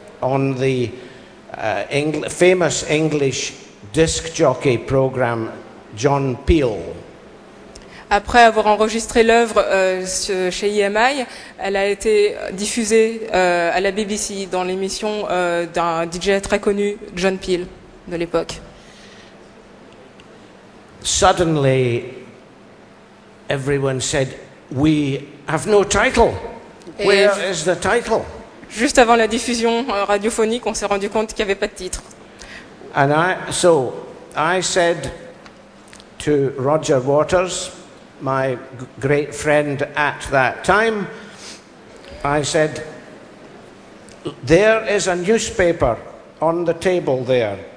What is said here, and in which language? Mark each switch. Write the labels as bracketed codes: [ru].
[en] on the famous English disc jockey program John Peel. [fr] Après avoir enregistré l'œuvre chez EMI, elle a été diffusée à la BBC dans l'émission d'un DJ très connu, John Peel, de l'époque. [en] Suddenly, everyone said, "We have no title. Where is the title?" [fr] Juste avant la diffusion radiophonique, on s'est rendu compte qu'il n'y avait pas de titre. [en] And so I said to Roger Waters, my great friend at that time, I said, "There is a newspaper on the table there.